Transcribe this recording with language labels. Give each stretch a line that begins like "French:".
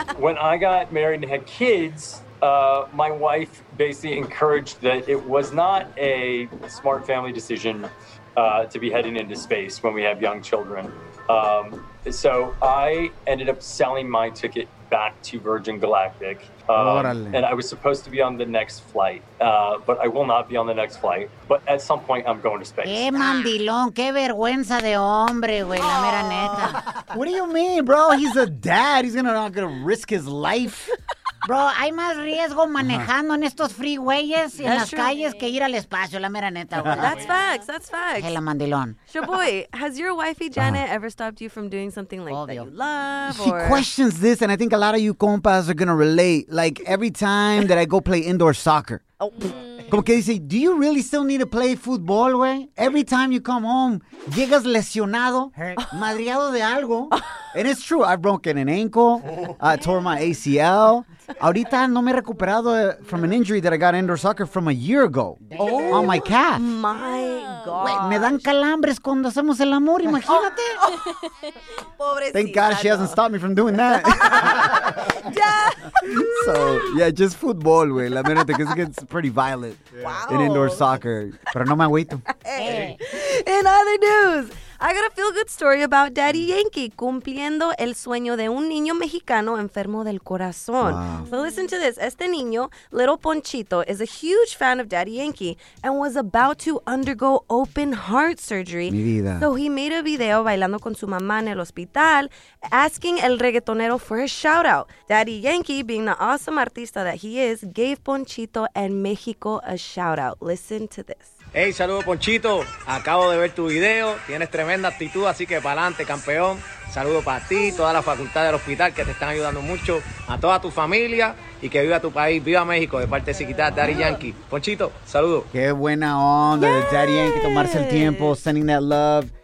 English: When I got married and had kids, my wife basically encouraged that it was not a smart family decision to be heading into space when we have young children. So I ended up selling my ticket back to Virgin Galactic. And I was supposed to be on the next flight, but I will not be on the next flight. But at some point, I'm going to space.
Spanish: Qué mandilón, qué vergüenza de hombre, güey, la mera neta.
English: What do you mean, bro? He's a dad. He's not going to risk his life.
Spanish: Bro, hay más riesgo manejando en estos freeways en las calles que ir al espacio, la mera neta, güey.
English: That's facts, that's facts.
Spanish: Hey, la mandilón.
English: Shaboy, has your wifey Janet ever stopped you from doing something like that you love? She questions this, and I think a lot of you compas are going to relate. Like, every time that I go play indoor soccer.
Spanish: Como que dice,
English: do you really still need to play football, güey? Every time you come home,
Spanish: llegas lesionado, madriado de algo.
English: And it's true, I've broken an ankle, I tore my ACL.
Spanish: Ahorita no me he recuperado
English: from an injury that I got indoor soccer from a year ago. Oh, on my calf. My God.
Spanish: Me dan calambres cuando hacemos el amor, imagínate. Oh. Pobrecita.
English: Thank God she hasn't stopped me from doing that. Yeah. So, yeah, just football, güey. La verdad, because it gets pretty violent in indoor soccer.
Spanish: Pero no me agüito.
English: In other news, I got a feel-good story about Daddy Yankee
Spanish: cumpliendo el sueño de un niño mexicano enfermo del corazón.
English: Wow. So listen to this.
Spanish: Este niño,
English: little Ponchito, is a huge fan of Daddy Yankee and was about to undergo open heart surgery.
Spanish: Mi vida.
English: So he made a video
Spanish: bailando con su mamá en el hospital,
English: asking el reggaetonero for a shout-out. Daddy Yankee, being the awesome artista that he is, gave Ponchito en México a shout-out. Listen to this.
Spanish: Hey, saludo Ponchito, acabo de ver tu video, tienes tremenda actitud, así que para adelante, campeón. Saludo para ti, toda la facultad del hospital que te están ayudando mucho, a toda tu familia y que viva tu país, viva México, de parte de Siquita, Daddy Yankee. Ponchito, saludo. Qué buena onda de Daddy Yankee, tomarse el tiempo,
English: sending that love.